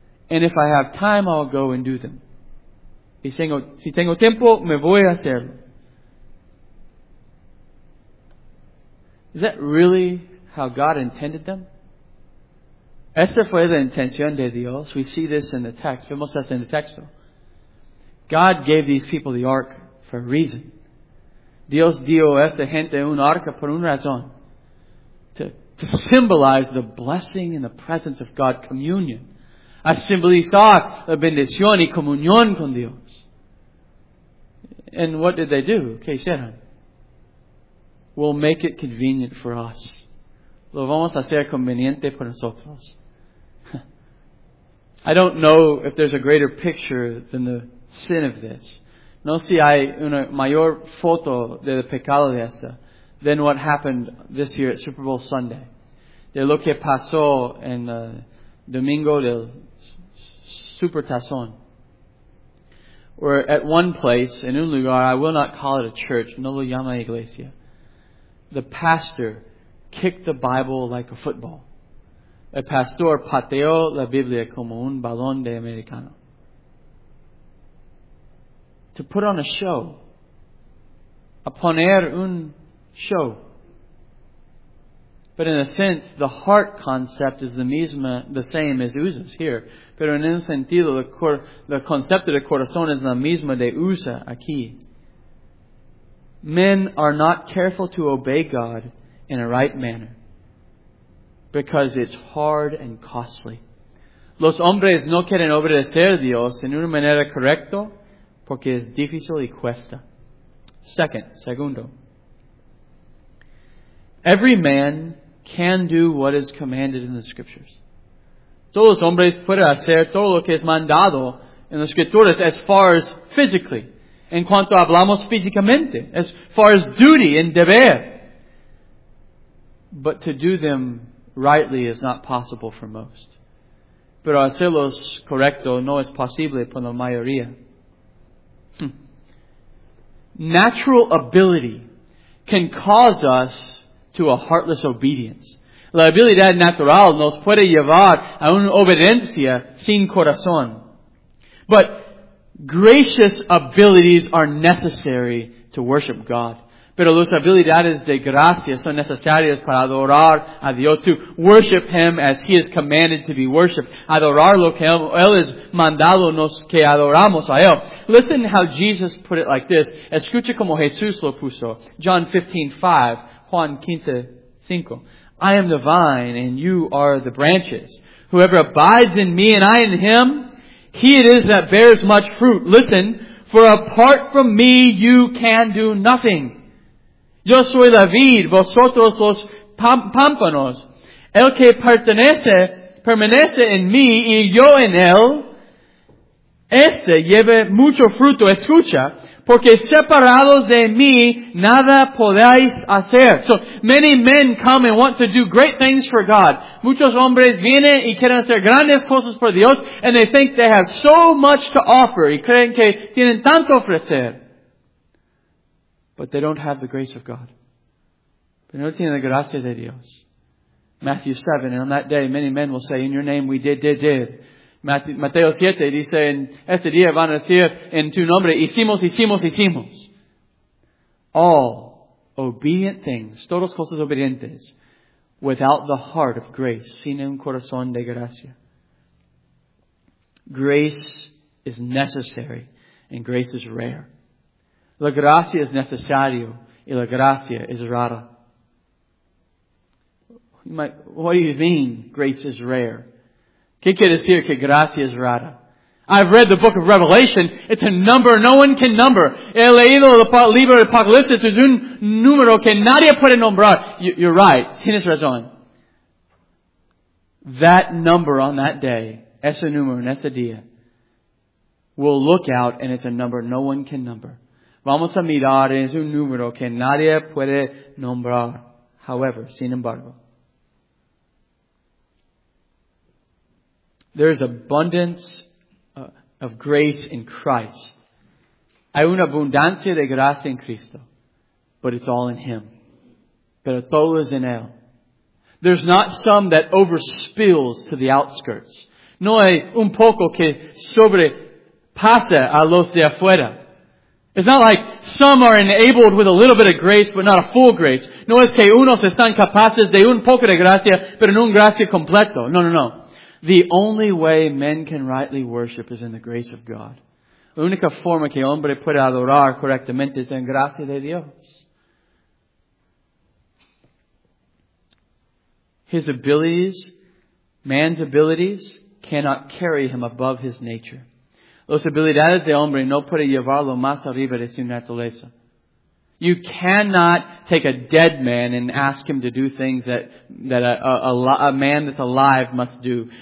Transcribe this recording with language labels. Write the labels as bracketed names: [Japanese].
[English] And if I have time, I'll go and do them. [Spanish] Y si tengo tiempo, me voy a hacerlo. [English] Is that really how God intended them? [Spanish] Esta fue la intención de Dios. [English] We see this in the text. [Spanish] Vemos esto en el texto. [English] God gave these people the ark for a reason. [Spanish] Dios dio a esta gente un arca por una razón. [English] To symbolize the blessing and the presence of God, communion. [Spanish] A simbolizar la bendición y comunión con Dios. [English] And what did they do? [Spanish] ¿Qué hicieron? [English] We'll make it convenient for us. [Spanish] Lo vamos a hacer conveniente para nosotros. [English] I don't know if there's a greater picture than the sin of this. [Spanish] No si hay una mayor foto de el pecado de esta [English] than what happened this year at Super Bowl Sunday. [Spanish] De lo que pasó en Domingo del Super Tazón. [English] Where at one place, [Spanish] in un lugar, [English] I will not call it a church, [Spanish] no lo llama iglesia, [English] the pastor kicked the Bible like a football. [Spanish] El pastor pateó la Biblia como un balón de americano. [English] To put on a show, [Spanish] a poner un show. [English] But in a sense, the heart concept is the same as Uzzah's here. [Spanish] Pero en un sentido, el concepto de corazón es la misma de Uzzah aquí. [English] Men are not careful to obey God in a right manner because it's hard and costly. [Spanish] Los hombres no quieren obedecer a Dios en una manera correcta porque es difícil y cuesta. Segundo. [English] Every man can do what is commanded in the Scriptures. [Spanish] Todos los hombres pueden hacer todo lo que es mandado en las Escrituras [English] as far as physically. [Spanish] En cuanto hablamos físicamente. [English] As far as duty and [Spanish] deber. [English] But to do them rightly is not possible for most. [Spanish] Pero hacerlos correcto no es posible por la mayoría. [English] Natural ability can cause us to a heartless obedience. [Spanish] La habilidad natural nos puede llevar a una obediencia sin corazón. [English] But gracious abilities are necessary to worship God. [Spanish] Pero las habilidades de gracia son necesarias para adorar a Dios, [English] to worship Him as He is commanded to be worshipped. [Spanish] Adorar lo que Él es mandado nos que adoramos a Él. [English] Listen how Jesus put it like this. [Spanish] Escucha como Jesús lo puso. [English] John 15:5, [Spanish] Juan 15:5. [English] I am the vine and you are the branches. Whoever abides in me and I in him, he it is that bears much fruit. Listen, for apart from me you can do nothing. [Spanish] Yo soy la vid, vosotros los pámpanos. El que permanece en mí y yo en él, este lleva mucho fruto. Escucha, porque separados de mí nada podéis hacer. [English] So many men come and want to do great things for God. [Spanish] Muchos hombres vienen y quieren hacer grandes cosas por Dios, [English] and they think they have so much to offer. [Spanish] Y creen que tienen tanto ofrecer. [English] But they don't have the grace of God. [Spanish] Pero no tienen la gracia de Dios. [English] Matthew 7, and on that day many men will say, in your name we did. [Spanish] Mateo 7 dice, en este día van a decir, en tu nombre, hicimos. [English] All obedient things, [Spanish] todas cosas obedientes, [English] without the heart of grace, [Spanish] sin un corazón de gracia. [English] Grace is necessary, and grace is rare. [Spanish] La gracia es necesario y la gracia es rara. [English] What do you mean, grace is rare? [Spanish] ¿Qué quiere decir que gracia es rara? [English] I've read the book of Revelation. It's a number no one can number. [Spanish] He leído el libro de Apocalipsis. Es un número que nadie puede nombrar. [English] You're right. [Spanish] Tienes razón. [English] That number on that day, [Spanish] ese número en ese día, [English] will look out and it's a number no one can number. [Spanish] Vamos a mirar, es un número que nadie puede nombrar. [English] However, [Spanish] sin embargo, [English] there is abundance of grace in Christ. [Spanish] Hay una abundancia de gracia en Cristo, [English] but it's all in Him. [Spanish] Pero todo es en Él. [English] There's not some that overspills to the outskirts. [Spanish] No hay un poco que sobrepasa a los de afuera. [English] It's not like some are enabled with a little bit of grace, but not a full grace. [Spanish] No es que unos están capaces de un poco de gracia, pero no un gracia completo. No. [English] The only way men can rightly worship is in the grace of God. [Spanish] La única forma que hombre puede adorar correctamente es en gracia de Dios. [English] His abilities, man's abilities, cannot carry him above his nature. [Spanish] Las habilidades de hombre no pueden llevarlo más arriba de su naturaleza. [English] You cannot take a dead man and ask him to do things that a man that's alive must do.